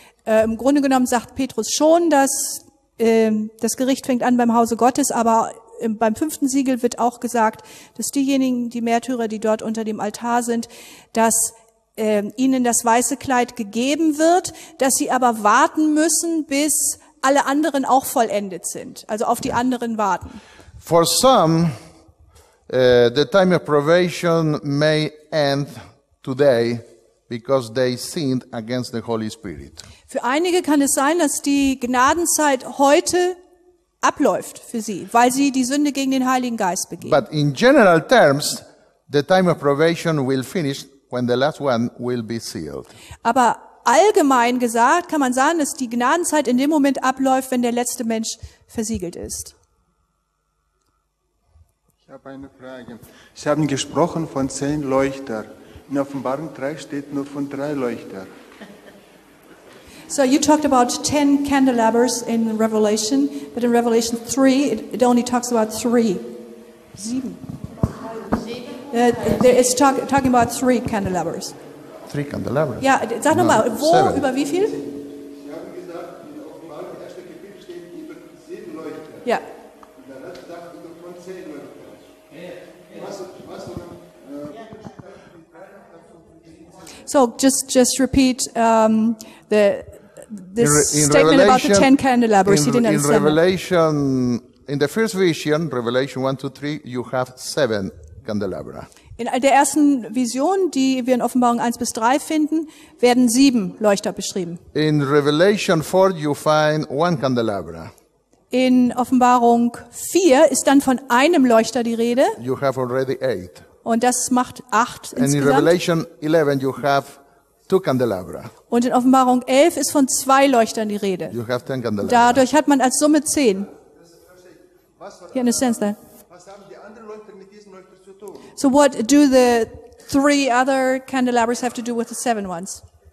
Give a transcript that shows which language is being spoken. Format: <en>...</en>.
<de>Im Grunde genommen sagt Petrus schon, dass das Gericht fängt an beim Hause Gottes, aber beim fünften Siegel wird auch gesagt, dass diejenigen, die Märtyrer, die dort unter dem Altar sind, dass ihnen das weiße Kleid gegeben wird, dass sie aber warten müssen, bis alle anderen auch vollendet sind, also auf die anderen warten.</de> <en>For some, the time of probation may end today, because they sinned against the Holy Spirit.</en> <de>Für einige kann es sein, dass die Gnadenzeit heute abläuft für sie, weil sie die Sünde gegen den Heiligen Geist begehen.</de> <en>But in general terms, the time of probation will finish when the last one will be sealed.</en> <de>Aber allgemein gesagt kann man sagen, dass die Gnadenzeit in dem Moment abläuft, wenn der letzte Mensch versiegelt ist. Ich habe eine Frage. Sie haben gesprochen von 10 Leuchtern. In Offenbarung 3 steht nur von 3 Leuchtern.</de> <en>So you talked about 10 candelabers in Revelation, but in Revelation 3 it only talks about 3. 7. It's talking about 3 candelabers. 3 candelabers.</en> <de>Ja, yeah, sag nochmal, no, wo 7. Über wie viel? Sie haben gesagt, in Offenbarung 3 steht über 7 Leuchter. Ja.</de> <en>So just repeat statement about the 10 candelabers. In Revelation, in the first vision, Revelation 1-3, you have 7 candelabra.</en> <de>In der ersten Vision, die wir in Offenbarung 1-3 finden, werden 7 Leuchter beschrieben.</de> <en>In Revelation 4, you find 1 candelabra.</en> <de>In Offenbarung 4 ist dann von einem Leuchter die Rede.</de> <en>You have already 8.</en> <de>Und das macht 8</de> <en>and</en> <de>insgesamt.</de> <en>In Revelation 11 you have 2 candelabra.</en> <de>Und in Offenbarung 11 ist von 2 Leuchtern die Rede.</de> <en>You have 10 candelabra.</en> <de>Dadurch hat man als Summe 10. Was haben die anderen Leuchter mit diesen Leuchtern zu tun?</de> <en>So what do the 3 other candelabras have to do with the 7 ones?</en>